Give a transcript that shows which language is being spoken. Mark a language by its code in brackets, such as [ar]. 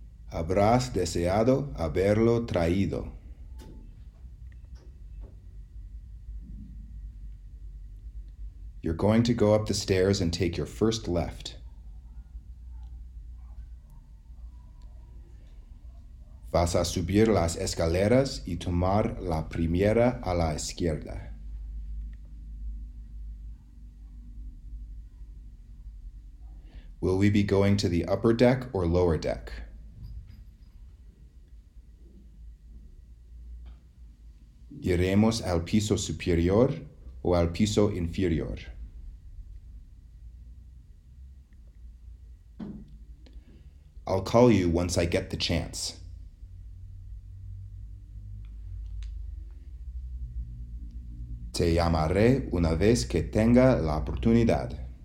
[es] Habrás deseado haberlo traído. [en] You're going to go up the stairs and take your first left. [es] Vas a subir las escaleras y tomar la primera a la izquierda. [en] Will we be going to the upper deck or lower deck? [es] Iremos al piso superior o al piso inferior. [en] I'll call you once I get the chance. [es] Te llamaré una vez que tenga la oportunidad.